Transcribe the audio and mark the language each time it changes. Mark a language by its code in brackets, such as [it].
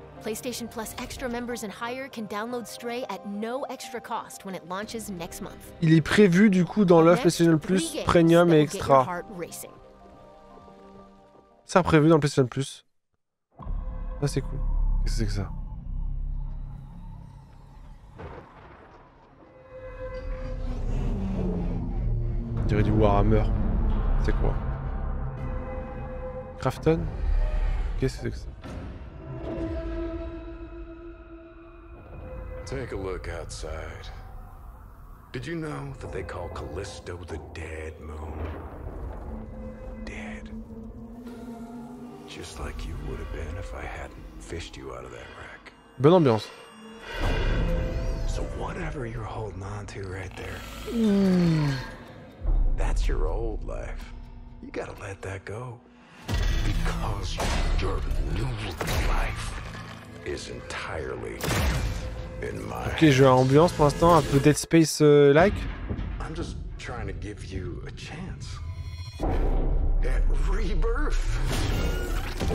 [en] PlayStation Plus extra members and higher can download Stray at no extra cost when it launches next month. [fr] Il est prévu du coup dans l'offre PlayStation Plus Premium et Extra. C'est prévu dans le PlayStation Plus. Ça c'est cool. Qu'est-ce que c'est que ça? On dirait du Warhammer. C'est quoi? Crafton? Qu'est-ce que c'est que ça? [en] Take a look outside. Did you know that they call Callisto the Dead Moon? Dead. Just like you would have been if I hadn't. Fished you out of that wreck. [fr] Bonne ambiance. [en] So whatever you're holding on to right there, that's your old life. You gotta let that go. Because your new life is entirely in my. [fr] Ok, je vais à ambiance pour l'instant, un peu Dead Space like. [en] I'm just trying to give you a chance at rebirth.